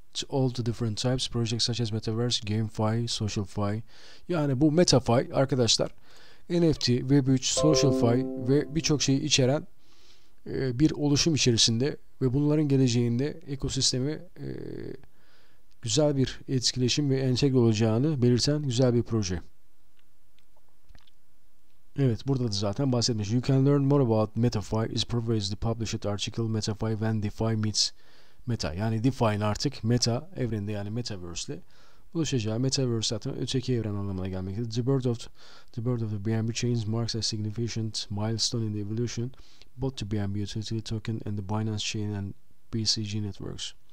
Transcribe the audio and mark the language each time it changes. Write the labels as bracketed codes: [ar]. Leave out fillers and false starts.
[en] All the different types, projects such as Metaverse, GameFi, SocialFi. [tr] Yani bu MetaFi arkadaşlar, NFT, Web3, SocialFi ve birçok şeyi içeren bir oluşum içerisinde ve bunların geleceğinde ekosistemi güzel bir etkileşim ve entegre olacağını belirten güzel bir proje. Evet, burada da zaten bahsetmiş. [en] You can learn more about MetaFi is previously published article MetaFi when DeFi meets Meta. [tr] Yani DeFi'nin artık Meta evreninde, yani Metaverse'le buluşacağı. Metaverse zaten öteki evren anlamına gelmektedir. [en] The birth of the BNB chains marks a significant milestone in the evolution both to BNB utility token and the Binance chain and BCG networks.